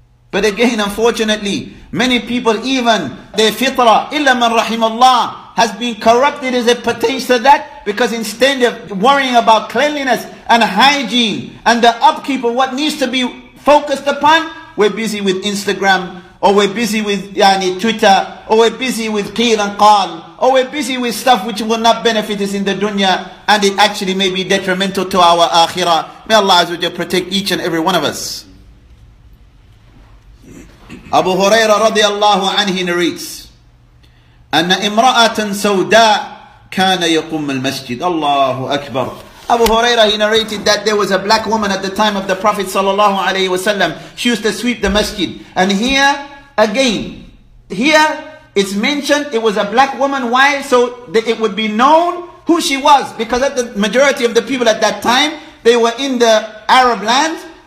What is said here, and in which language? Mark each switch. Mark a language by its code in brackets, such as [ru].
[en] But again, unfortunately, many people, even their fitrah, [ar] illa man rahim Allah, [en] has been corrupted as it pertains to that, because instead of worrying about cleanliness and hygiene and the upkeep of what needs to be focused upon, we're busy with Instagram, or we're busy with Twitter, or we're busy with [ar] qeel and qal, [en] or we're busy with stuff which will not benefit us in the dunya, and it actually may be detrimental to our akhirah. May Allah Azza wa Jalla protect each and every one of us. [ar] Abu Huraira radiallahu anhi [en] narrates, [ar] أن امرأة سوداء كان يقوم المسجد. Allahu Akbar. [en] Abu Huraira, he narrated that there was a black woman at the time of the Prophet sallallahu alayhi wasallam. She used to sweep the masjid. And here, again, here it's mentioned it was a black woman. Why? So that it would be known who she was. Because at the majority of the people at that time, they were in the Arab land.